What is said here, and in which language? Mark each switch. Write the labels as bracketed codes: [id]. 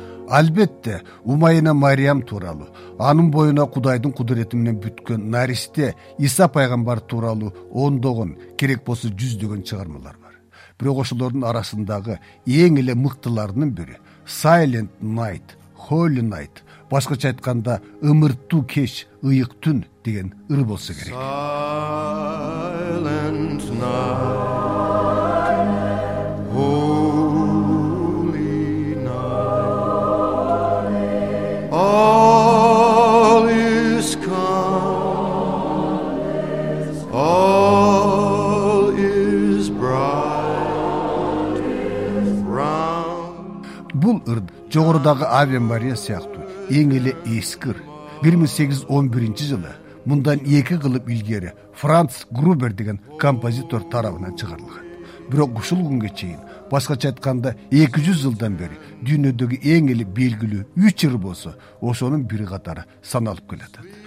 [ky] Албетте, Умайына Мариям туралы, анын бойына Кудайдын кудрети менен бүткөн наристе Иса пайгамбар туралы ондогон, керек болсо жүздөгөн чыгармалар бар. Бирок ошолордун арасындагы эң эле мыктыларынын бири Silent Night, Holy Night, башкача айтканда ымырттуу кеч, ыйык түн деген ыр болсо керек. [en] Silent Night, Holy Night, all is calm, all is bright round. [ky] Бул ыр жогорудагы Аве Мария сыяктуу эң эле эскир. 1811 жылы мындан эки кылып илгери Франц Грубер деген композитор тарабынан чыгарылган. Бирок ушул күнгө чейин, башкача айтканда 200 жылдан бери дүйнөдөгү эң эле белгилүү үч ыр болсо ошонун бири катары саналып келет.